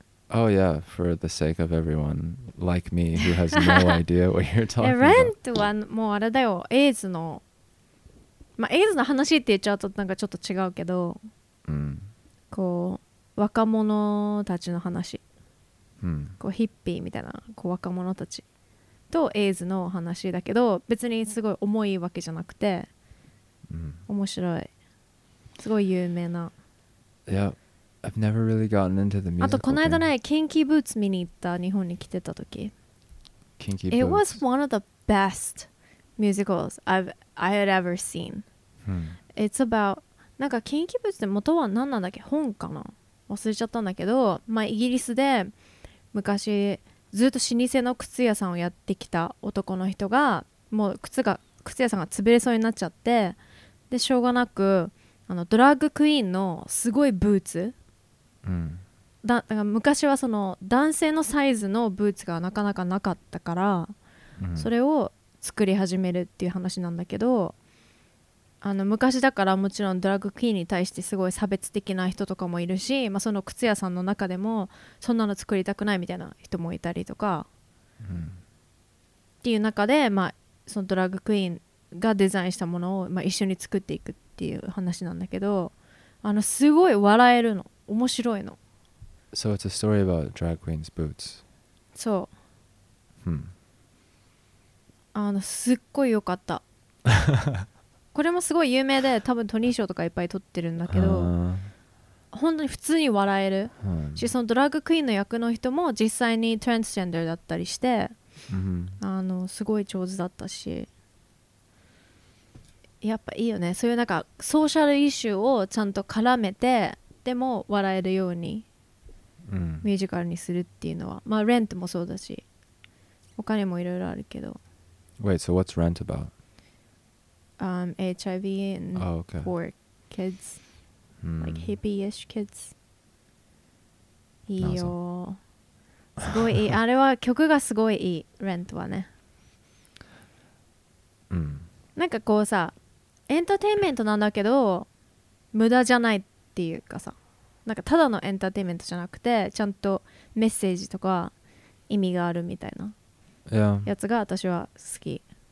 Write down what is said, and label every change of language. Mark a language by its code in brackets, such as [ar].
[en] Oh yeah, for the sake of everyone like me who has no idea what you're talking Rent about. [ja] Rent はもうあれだよ、エイズの。まあ、エイズの話って言っちゃうとなんかちょっと違うけど、こう、若者たちの話。こう、ヒッピーみたいな、こう、若者たち。とエイズの話だけど別にすごい重いわけじゃなくて、面白いすごい有名な [en] Yeah, I've never really gotten into the musical [ja] あとこの間ね、 [en] thing. [ja] Kinky Boots 見に行った日本に来てた時 [en] Kinky Boots It was one of the best musicals I had ever seen、It's about [ja] なんか Kinky Boots って元は何なんだっけ本かな忘れちゃったんだけどまあイギリスで昔ずっと老舗の靴屋さんをやってきた男の人がもう靴屋さんが潰れそうになっちゃってでしょうがなくあのドラッグクイーンのすごいブーツ、だから昔はその男性のサイズのブーツがなかなかなかったから、それを作り始めるっていう話なんだけどあの昔だからもちろんドラッグクイーンに対してすごい差別的な人とかもいるし、まあ、その靴屋さんの中でもそんなの作りたくないみたいな人もいたりとか、っていう中で、まあ、そのドラッグクイーンがデザインしたものを、まあ、一緒に作っていくっていう話なんだけどあのすごい笑えるの面白いの [en] So it's a story about drag queen's boots [ja] そう、 hmm. あのすっごい良かったこれもすごい有名で多分トニー賞とかいっぱい取ってるんだけど本当に普通に笑える、しそのドラッグクイーンの役の人も実際にトランスジェンダーだったりして、あのすごい上手だったしやっぱいいよねそういうなんかソーシャルイシューをちゃんと絡めてでも笑えるようにミュージカルにするっていうのはまあ Rent もそうだし他にもいろいろあるけど [en] Wait, so what's Rent about? HIV and poor kids, like hippie-ish kids. [ja] いいよ。すごいいい。あれは曲がすごいいい。 Rent はね。なんかこうさ、エンターテインメントなんだけど、無駄じゃないっていうかさ、なんかただのエンターテインメントじゃなくて、ちゃんとメッセージとか意味があるみたいなやつが私は好き。